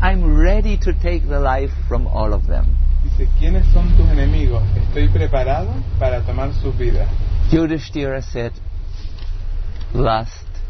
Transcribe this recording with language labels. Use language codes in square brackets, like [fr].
[en] I'm ready to take the life from all of them. [es] Dice, ¿quiénes son tus enemigos? Estoy preparado para tomar su vida. [en] Yudhishthira said, lust.